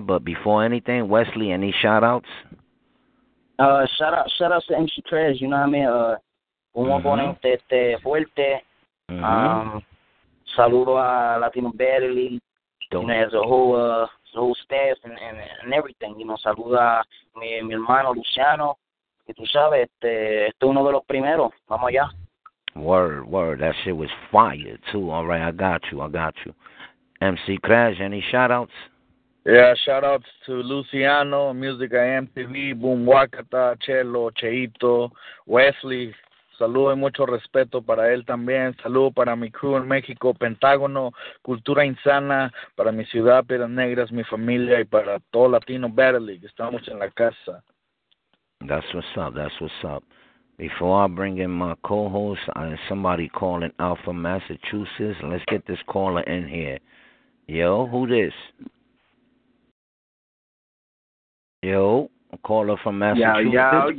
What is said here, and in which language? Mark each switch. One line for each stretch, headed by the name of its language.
English: But before anything, Wesley, any shout-outs? Shout-outs to MC Trez, you know what I mean?
Spanish: Un oponente fuerte. Saludo a
English: Latino Berly, you know, the whole staff and everything, you know.
Spanish: Saludo a mi hermano Luciano, que tú sabes, este es uno de los primeros, vamos allá.
English: Word, that shit was fire, too. All right, I got you. MC Crash, any shout-outs? Yeah, shout-outs to Luciano, Music MTV, Boom Wakata, Chelo, Cheito, Wesley.
Spanish: Saludo y mucho respeto para él también. Saludo para mi crew en México, Pentágono, Cultura Insana, para mi ciudad, Piedras Negras, mi familia, y para todo Latino Battle League. Estamos en la casa.
English: That's what's up. Before I bring in my co-host, somebody calling Alpha Massachusetts. Let's get this caller in here. Yo, who this? Yo, a caller from Massachusetts.